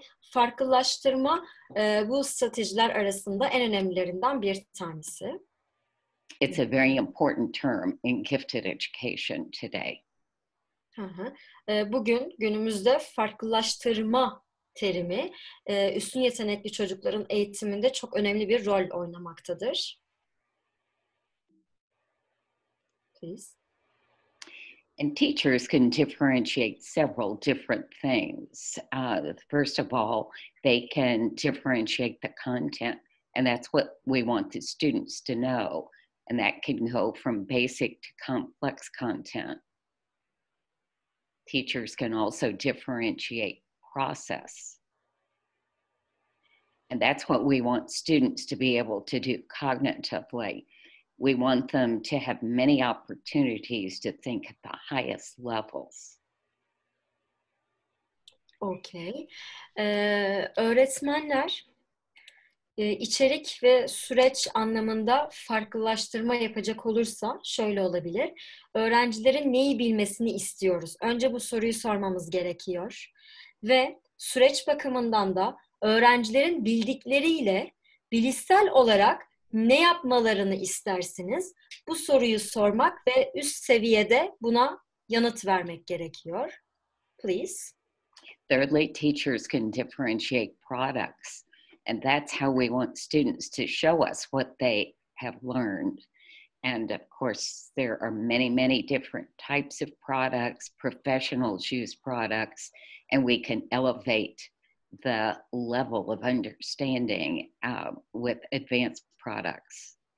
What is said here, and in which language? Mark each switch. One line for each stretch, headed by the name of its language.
Turkish: Farklılaştırma bu stratejiler arasında en önemlilerinden bir tanesi.
English: It's a very important term in gifted education today.
Turkish: Bugün günümüzde farklılaştırma terimi üstün yetenekli çocukların eğitiminde çok önemli bir rol oynamaktadır.
English: Please. And teachers can differentiate several different things. First of all, they can differentiate the content, and that's what we want the students to know. And that can go from basic to complex content. Teachers can also differentiate process. And that's what we want students to be able to do cognitively. We want them to have many opportunities to think at the highest levels. Okay.
Turkish: Öğretmenler içerik ve süreç anlamında farklılaştırma yapacak olursa şöyle olabilir. Öğrencilerin neyi bilmesini istiyoruz? Önce bu soruyu sormamız gerekiyor. Ve süreç bakımından da öğrencilerin bildikleriyle bilişsel olarak ne yapmalarını istersiniz? Bu soruyu sormak ve üst seviyede buna yanıt vermek gerekiyor.
English: Please. Thirdly, teachers can differentiate products. And that's how we want students to show us what they have learned. And of course, there are many, many different types of products. Professionals use products. And we can elevate the level of understanding with advanced products.